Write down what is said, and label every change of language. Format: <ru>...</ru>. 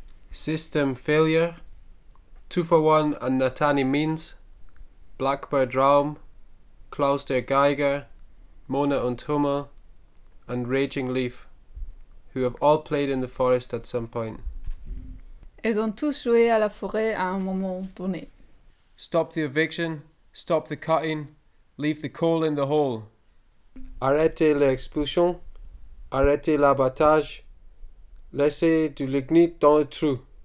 <en>System Failure, 2-for-1 and Natani Means, Blackbird Realm, Klaus der Geiger, Mona und Hummel, and Raging Leaf, who have all played in the forest at some point.</en> <fr>Ils ont tous joué à la forêt à un moment donné.</fr> <en>Stop the eviction, stop the cutting, leave the coal in the hole.</en> <fr>Arrêtez l'expulsion, arrêtez l'abattage, laissez du lignite dans le trou.</fr>